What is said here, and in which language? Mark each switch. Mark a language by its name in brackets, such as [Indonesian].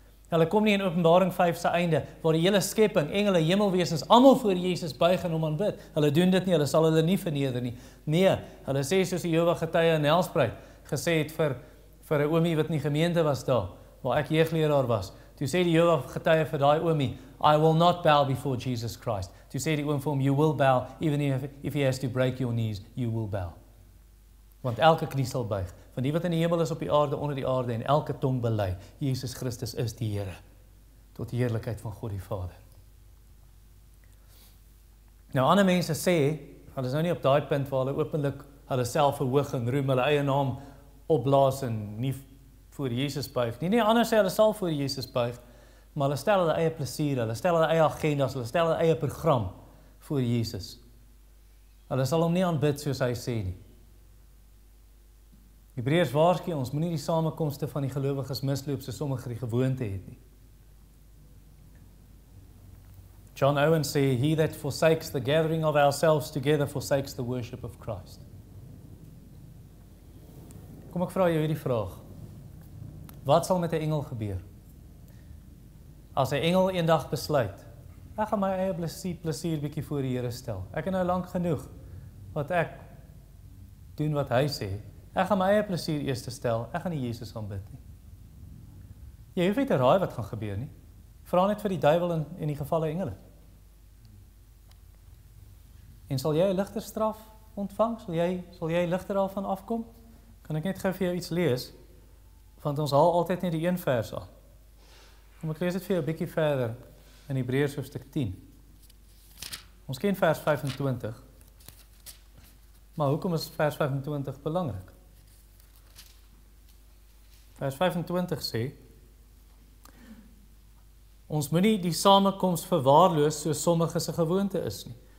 [Afrikaans] Hulle kom nie in Openbaring 5 se einde, waar die hele skepping, engele, hemelwesens, allemaal voor Jesus buig en hom aanbid. Hulle doen dit nie, hulle sal hulle nie verneder nie. Nee, hulle sê, soos die Jehovah getuie in Helspruit, gesê het vir 'n oomie wat nie gemeente was daar, waar ek jeugleraar was, toe sê die Jehovah getuie vir daai oomie, [English] I will not bow before Jesus Christ. [Afrikaans] Toe sê die oom vir hom, [English] you will bow, even if he has to break your knees, you will bow. [Afrikaans] Want elke knie sal buig, van die wat in die hemel is op die aarde, onder die aarde, en elke tong bely, Jesus Christus is die Here, tot die heerlikheid van God die Vader. Nou, ander mense sê, hulle is nou nie op daai punt waar hulle openlik hulle self verhoog en roem hulle eie naam opblaas en nie voor Jesus buig. Nie anders sê hulle sal voor Jesus buig, maar hulle stel hulle eie plesier, hulle stel hulle eie agendas, hulle stel hulle eie program voor Jesus. Hulle sal hom nie aanbid soos hy sê nie. Hebreërs waarsku, ons moet nie die samekomste van die gelowiges misloop soos sommige die gewoonte het nie. [English] John Owen [Afrikaans] sê, [English] he that forsakes the gathering of ourselves together forsakes the worship of Christ. [Afrikaans] Kom, ek vraag jou hierdie vraag. Wat sal met die engel gebeur? As die engel eendag besluit, ek gaan my eie plesier bietjie voor die Here stel. Ek het nou lank genoeg wat ek doen wat hy sê. Ek gaan my eie plesier eers te stel, ek gaan nie Jesus aanbid nie. Jy hoef nie te raai wat gaan gebeur nie. Vra net vir die duivel en die gevalle engele. En sal jy 'n ligter straf ontvang? Sal jy ligter daarvan afkom? Kan ek net gou vir jou iets lees? Want ons haal altyd net die een vers aan. Kom, ek lees dit vir jou 'n bietjie verder in Hebreërs hoofstuk 10. Ons ken vers 25. Maar hoekom is vers 25 belangrik? Vers 25 sê, ons moet nie die samekoms verwaarloos soos sommige se gewoonte is nie.